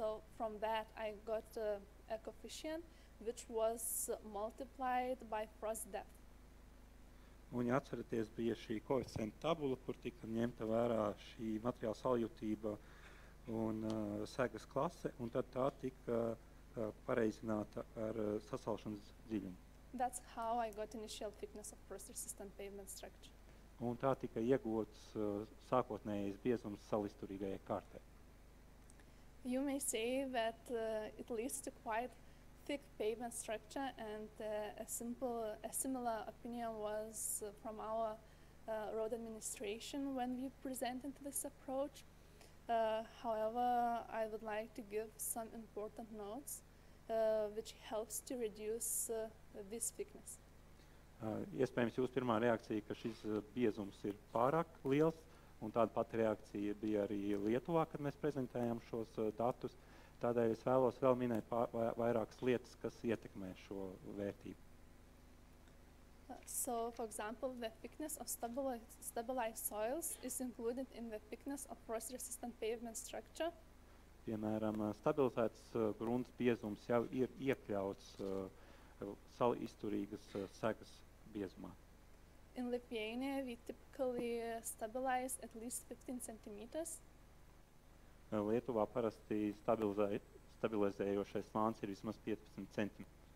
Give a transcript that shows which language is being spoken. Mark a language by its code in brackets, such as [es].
[en] So from that I got a coefficient which was multiplied by frost depth. [lv] Un, ja atceraties, bija šī koeficienta tabula, kur tika ņemta vērā šī materiāla saljutība un segas klase, un tad tā tika pareizināta ar sasalšanas dziļumu. [en] That's how I got initial thickness of frost resistant pavement structure. [lv] Un tā tika iegūts sākotnējais biezums salisturīgajai kārtai. [en] You may say that it leads to quite thick pavement structure, and a similar opinion was from our road administration when we presented this approach. However, I would like to give some important notes which helps to reduce this thickness. [lv] Iespējams, jūsu pirmā reakcija, ka šis biezums ir pārāk liels, un tāda pati reakcija bija arī Lietuvā, kad mēs prezentējām šos datus. Tādēļ es vēlos vēl minēt vairākas lietas, kas ietekmē šo vērtību. [en] So, for example, the thickness of stabilized soils is included in the thickness of frost-resistant pavement structure. [lv] Piemēram, stabilizēts grunts biezums jau ir iekļauts sali izturīgas segas biezumā. [en] In Lithuania, we typically stabilize at least 15 centimeters. [lv] Lietuvā parasti stabilizējošais slānis ir vismaz 15 centimetri.